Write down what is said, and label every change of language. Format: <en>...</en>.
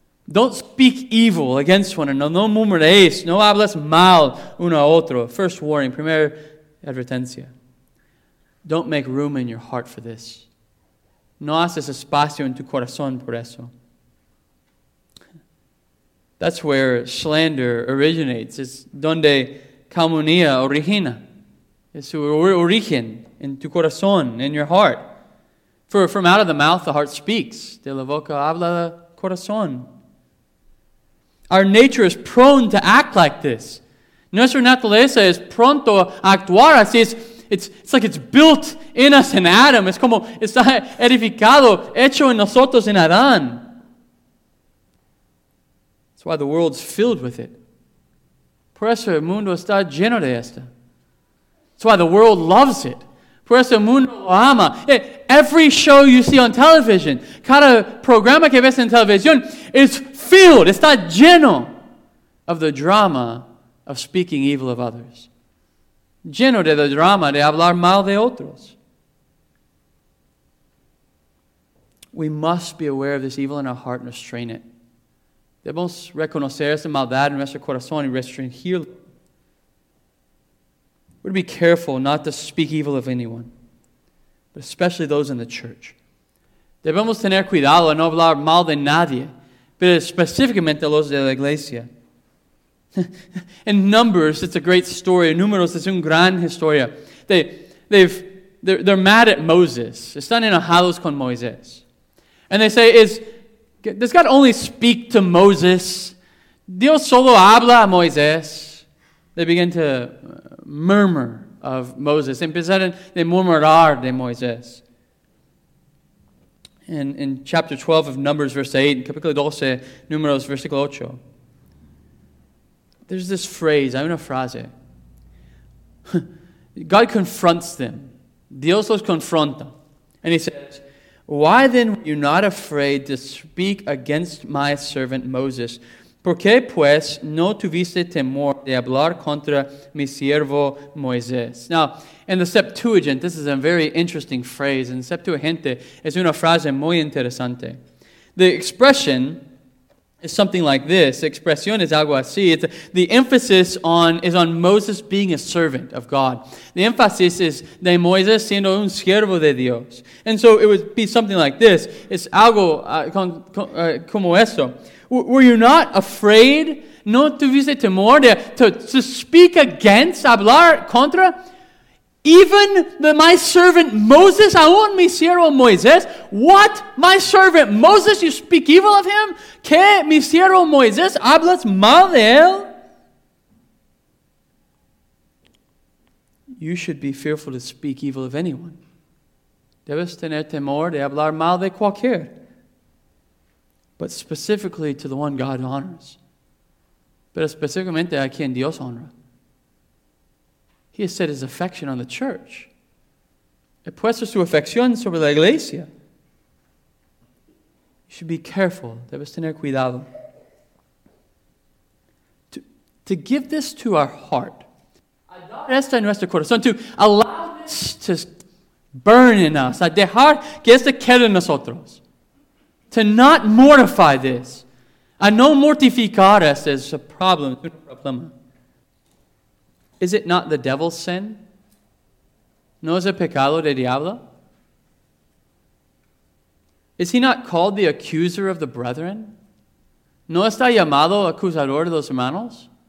<en>Don't speak evil against one another.</en> <es>No murmuráis, no hablas mal uno a otro.</es> <en>First warning,</en> <es>primera advertencia.</es> <en>Don't make room in your heart for this.</en> <es>No haces espacio en tu corazón por eso.</es> <en>That's where slander originates. It's</en> <es>donde calumnia origina.</es> <en>It's origen in</en> <es>tu corazón,</es> <en>in your heart. For from out of the mouth, the heart speaks.</en> <es>De la boca habla el corazón.</es> <en>Our nature is prone to act like this.</en> <es>Nuestra naturaleza es pronto a actuar así.</es> <en>it's like it's built in us in Adam.</en> <es>Es como está edificado, hecho en nosotros en Adán.</es> <en>That's why the world's filled with it.</en> <es>Por eso el mundo está lleno de esto.</es> <en>That's why the world loves it.</en> <es>Por eso el mundo lo ama.</es> <en>Every show you see on television,</en> <es>cada programa que ves en televisión,</es> <en>is filled,</en> <es>está lleno</es> <en>of the drama of speaking evil of others.</en> <es>Lleno de la drama de hablar mal de otros.</es> <en>We must be aware of this evil in our heart and restrain it.</en> <es>Debemos reconocer esa maldad en nuestro corazón y restringirlo.</es> <en>We're to be careful not to speak evil of anyone, but especially those in the church.</en> <es>Debemos tener cuidado a no hablar mal de nadie, pero específicamente los de la iglesia.</es> <en>In Numbers, it's a great story.</en> <es>Números es una gran historia.</es> <en>They're mad at Moses.</en> <es>Están enojados con Moisés.</es> <en>And they say, does God only speak to Moses?</en> <es>Dios solo habla a Moisés.</es> <en>They begin to murmur of Moses.</en> <es>Empezaron a murmurar de Moisés.</es> <en>In chapter 12 of Numbers, verse 8, in</en> <es>capítulo 12, Números, versículo 8.</es> <en>There's this phrase,</en> <es>hay una frase.</es> <en>God confronts them.</en> <es>Dios los confronta.</es> <en>And he says, why then were you not afraid to speak against my servant Moses?</en> <es>¿Por qué pues no tuviste temor de hablar contra mi siervo Moisés?</es> <en>Now, in the Septuagint, this is a very interesting phrase.</en> <es>In Septuaginta, es una frase muy interesante.</es> <en>The expression is something like this.</en> <es>Expresión es algo así.</es> <en>The emphasis is on Moses being a servant of God. The emphasis is</en> <es>de Moisés siendo un siervo de Dios.</es> <en>And so it would be something like this. It's</en> <es>algo como esto.</es> <en>Were you not afraid?</en> <es>No tuviste temor</es> <en>to speak against,</en> <es>hablar contra?</es> <en>Even my servant Moses,</en> <es>aún mi siervo Moisés,</es> <en>what? My servant Moses, you speak evil of him?</en> <es>¿Qué mi siervo Moisés hablas mal de él?</es> <en>You should be fearful to speak evil of anyone.</en> <es>Debes tener temor de hablar mal de cualquier.</es> <en>But specifically to the one God honors.</en> <es>Pero específicamente a quien Dios honra.</es> <en>He has set his affection on the church.</en> <es>He puesto su afección sobre la iglesia.</es> <en>You should be careful.</en> <es>Debes tener cuidado.</es> <en>To give this to our heart.</en> <es>Adar esto en nuestro corazón.</es> <en>To allow this to burn in us.</en> <es>A dejar que esto quede en nosotros.</es> <en>To not mortify this.</en> <es>A no mortificar esto es un problema.</es> <en>Is it not the devil's sin?</en> <es>¿No es el pecado de diablo?</es> <en>Is he not called the accuser of the brethren?</en> <es>¿No está llamado acusador de los hermanos?</es>